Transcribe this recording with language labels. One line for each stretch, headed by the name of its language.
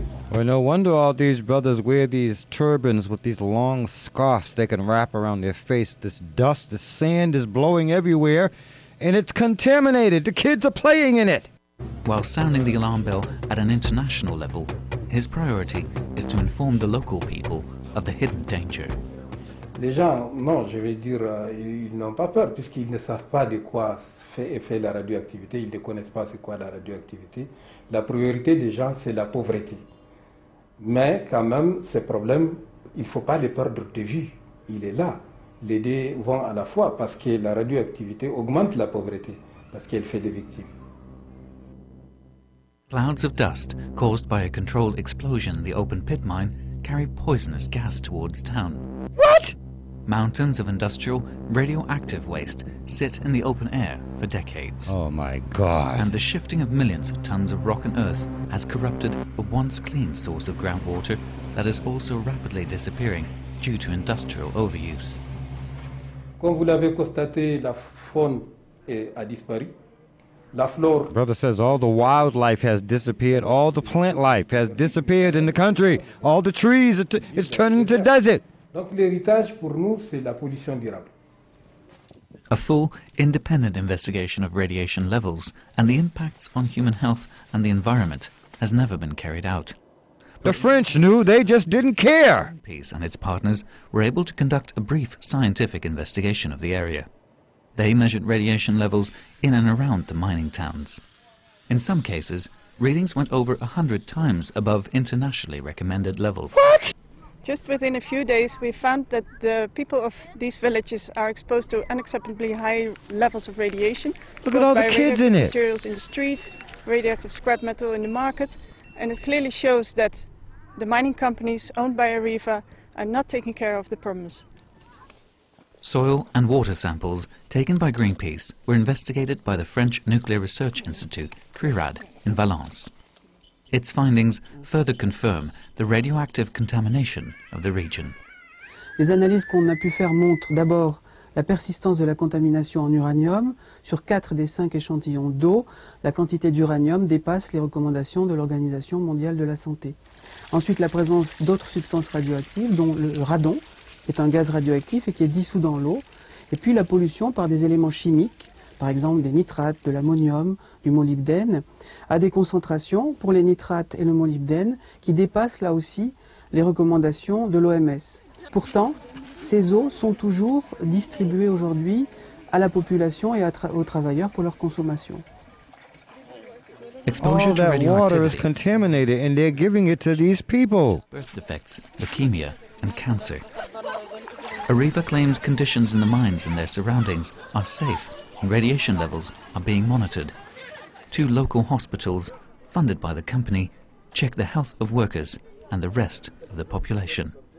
English: Well, no wonder all these brothers wear these turbans with these long scarves they can wrap around their face. This dust, this sand is blowing everywhere, and it's contaminated. The kids are playing in it. While sounding the alarm bell at an international level, his priority is to inform the local people of the hidden danger.
French: Les gens, non, je vais dire, ils n'ont pas peur puisqu'ils ne savent pas de quoi fait la radioactivité. Ils ne connaissent pas c'est quoi la radioactivité. La priorité des gens, c'est la pauvreté. Mais quand même, ces problèmes, il ne faut pas les perdre de vue. Il est là. Les deux vont à la fois parce que la radioactivité augmente la pauvreté parce qu'elle fait des victimes.
English: Clouds of dust caused by a controlled explosion in the open pit mine carry poisonous gas towards town. What? Mountains of industrial, radioactive waste sit in the open air for decades. Oh my God. And the shifting of millions of tons of rock and earth has corrupted the once clean source of groundwater that is also rapidly disappearing due to industrial overuse.
French: Comme vous l'avez constaté, la faune a disparu. La flore.
English: Brother says all the wildlife has disappeared, all the plant life has disappeared in the country, all the trees, it's turning to desert.
French: Donc l'héritage pour nous, c'est la pollution durable.
English: A full, independent investigation of radiation levels and the impacts on human health and the environment has never been carried out. But the French knew, they just didn't care. Peace and its partners were able to conduct a brief scientific investigation of the area. They measured radiation levels in and around the mining towns. In some cases, readings went over 100 times above internationally recommended levels. What? Just within a few days, we found that the people of these villages are exposed to unacceptably high levels of radiation. Look at all the kids in it. Materials in the street, radioactive scrap metal in the market. And it clearly shows that the mining companies owned by Areva are not taking care of the problems. Soil and water samples taken by Greenpeace were investigated by the French Nuclear Research Institute, CRIRAD, in Valence. Its findings further confirm the radioactive contamination of the region.
French: Les analyses qu'on a pu faire montrent d'abord la persistance de la contamination en uranium. Sur 4 des 5 échantillons d'eau, la quantité d'uranium dépasse les recommandations de l'Organisation mondiale de la santé. Ensuite, la présence d'autres substances radioactives, dont le radon, qui est un gaz radioactif et qui est dissous dans l'eau, et puis la pollution par des éléments chimiques, par exemple des nitrates, de l'ammonium, du molybdène, à des concentrations pour les nitrates et le molybdène qui dépassent là aussi les recommandations de l'OMS. Pourtant, ces eaux sont toujours distribuées aujourd'hui à la population et aux travailleurs pour leur consommation.
English: Exposure to radioactivity. All that water is contaminated and they're giving it to these people. Birth defects, leukemia, and cancer. Areva claims conditions in the mines and their surroundings are safe and radiation levels are being monitored. Two local hospitals, funded by the company, check the health of workers and the rest of the population.